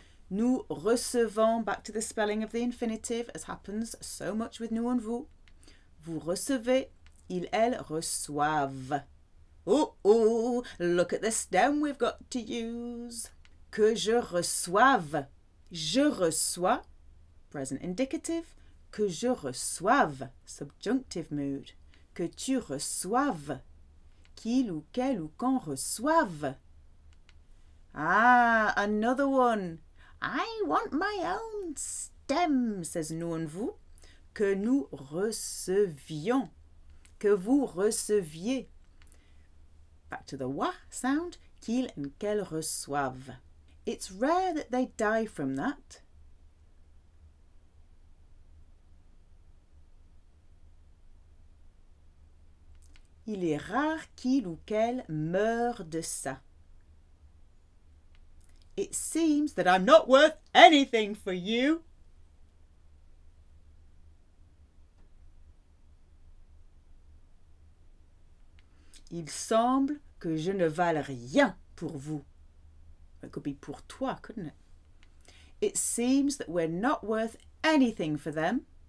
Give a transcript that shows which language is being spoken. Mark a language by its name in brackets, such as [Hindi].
[French] Nous recevons. [English] Back to the spelling of the infinitive, as happens so much with nous and vous. [French] Vous recevez. Ils, elles reçoivent. [English] Oh, oh, look at the stem we've got to use. [French] Que je reçoive. Je reçois. [English] Present indicative, [French] que je reçoive, [English] subjunctive mood, [French] que tu reçoives, qu'il ou qu'elle ou qu'on reçoive. [English] Ah, another one. I want my own stem, says nous and vous, [French] que nous recevions, que vous receviez. [English] Back to the wa sound, [French] qu'il and qu'elle reçoivent. [English] It's rare that they die from that. [French] Il est rare qu'il ou qu'elle meure de ça. [English] It seems that I'm not worth anything for you. [French] Il semble que je ne vale rien pour vous. [English] It could be [French] pour toi, [English] couldn't it? It seems that we're not worth anything for them.